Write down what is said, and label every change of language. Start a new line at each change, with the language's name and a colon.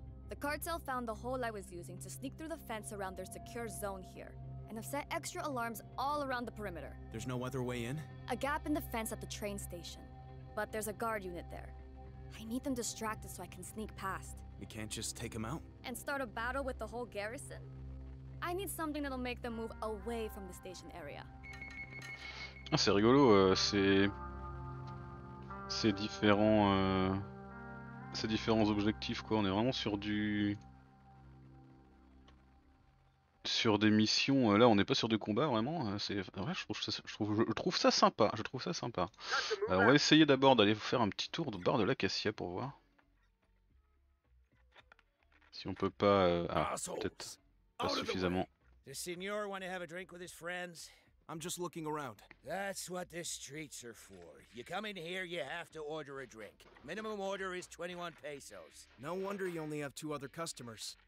English: The cartel found the hole I was using to sneak through the fence around their secure zone here, and have set extra alarms all around the perimeter. There's no other way in? A gap in the fence at the train station. But there's a guard unit there. I need them distracted so I can sneak past. You can't just take them out? And start a battle with the whole garrison? I need something that'll make them move away from the station area.
French: Ah, c'est rigolo, c'est différent, ces différents objectifs quoi, on est vraiment sur du... sur des missions, là on n'est pas sur du combat vraiment, c'est... Ouais, je trouve ça sympa. On va essayer d'abord d'aller vous faire un petit tour de bord de l'acacia pour voir. Si on peut pas... peut-être pas suffisamment. Le seigneur veut avoir un drink avec ses amis?
English: I'm just looking around. That's what the streets are for. You come in here, you have to order a drink. Minimum order is 21 pesos. No wonder you only have two other customers.